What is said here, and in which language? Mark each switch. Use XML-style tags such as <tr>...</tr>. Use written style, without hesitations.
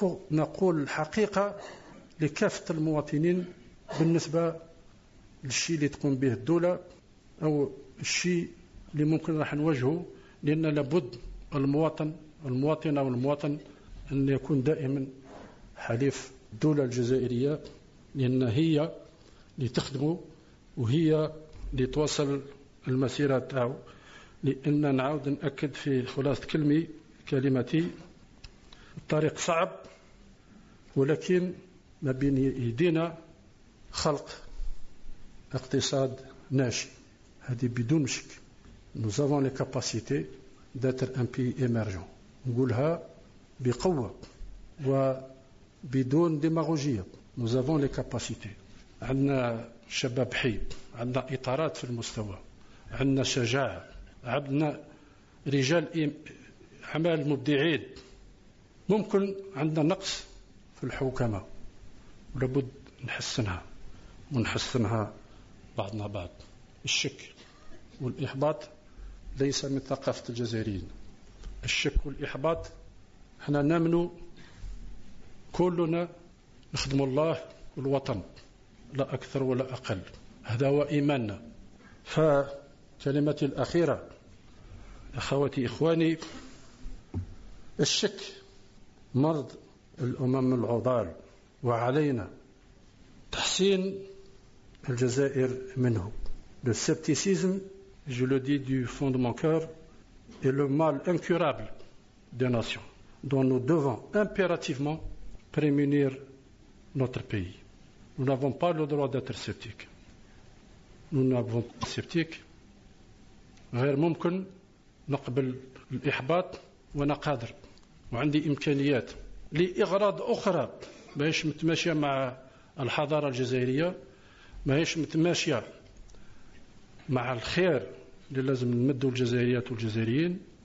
<ar>نقول الحقيقة لكافة المواطنين بالنسبة للشيء اللي تقوم به الدولة أو الشيء اللي ممكن راح نواجهه، لأن لابد المواطن المواطنة والمواطن أن يكون دائما حليف الدولة الجزائرية، لأن هي اللي تخدمه وهي اللي توصل المسيرة تاعو. لأن نعود نأكد في خلاصة كلمتي، الطريق صعب ولكن ما بين يدينا خلق اقتصاد ناشئ، هذه بدون شك.</ar> <fr>nous avons les capacités d'être un pays émergent،</fr> <ar>نقولها بقوة وبدون ديماغوجية.</ar> <fr>nous avons les capacités،</fr> <ar>عندنا شباب حي، عندنا إطارات في المستوى، عندنا شجاعة، عندنا رجال أعمال مبدعين. ممكن عندنا نقص في الحكومة ولابد نحسنها ونحسنها بعضنا بعض. الشك والإحباط ليس من ثقافة الجزائريين، الشك والإحباط احنا نمنو كلنا نخدم الله والوطن لا أكثر ولا أقل، هذا هو إيماننا. فكلمتي الأخيرة أخواتي إخواني، الشك مرض الأمم العضال، وعلينا تحسين الجزائر منه.</ar> <fr>le scepticisme je le dis du fond de mon cœur est le mal incurable des nations dont nous devons impérativement prémunir notre pays. nous n'avons pas le droit d'être sceptique. nous n'avons pas sceptique</fr> <ar>غير ممكن نقبل الإحباط، وانا قادر وعندي إمكانيات لإغراض أخرى ماهيش متماشية مع الحضارة الجزائرية، ماهيش متماشية مع الخير اللي لازم نمدوا الجزائريات والجزائريين.</ar>